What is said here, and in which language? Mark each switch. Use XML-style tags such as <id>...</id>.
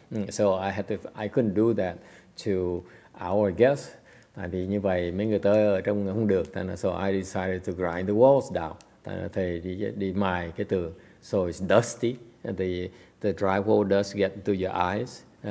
<en>So I couldn't do that to our guests.</en> <vi>Tại vì như vậy mấy người tới ở trong không được.</vi> <en>So I decided to grind the walls down.</en> <vi>Tại thầy đi mài cái tường.</vi> <en>So it's dusty. The drywall dust get into your eyes.</en>